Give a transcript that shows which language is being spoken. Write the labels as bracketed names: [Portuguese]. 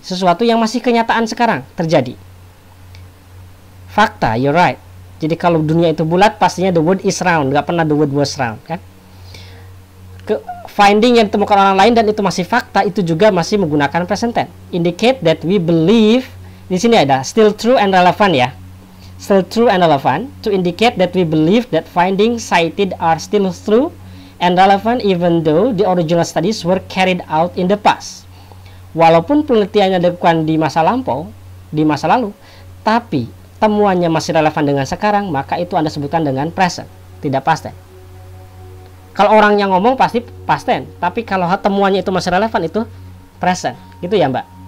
[Indonesian] Sesuatu yang masih kenyataan sekarang terjadi. Fakta, [English] you're right. [Indonesian] Jadi kalau dunia itu bulat, pastinya [English] the world is round. [Indonesian] Nggak pernah [English] the world was round, [Indonesian] kan? Finding yang ditemukan orang lain dan itu masih fakta, itu juga masih menggunakan present tense. Indicate that we believe, di sini ada, [English] still true and relevant [Indonesian] ya. [English] Still true and relevant, to indicate that we believe that findings cited are still true and relevant even though the original studies were carried out in the past. [Indonesian] Walaupun penelitiannya dilakukan di masa lampau, di masa lalu, tapi temuannya masih relevan dengan sekarang, maka itu Anda sebutkan dengan present, tidak past tense. Kalau orang yang ngomong pasti past tense, tapi kalau temuannya itu masih relevan itu present, gitu ya Mbak.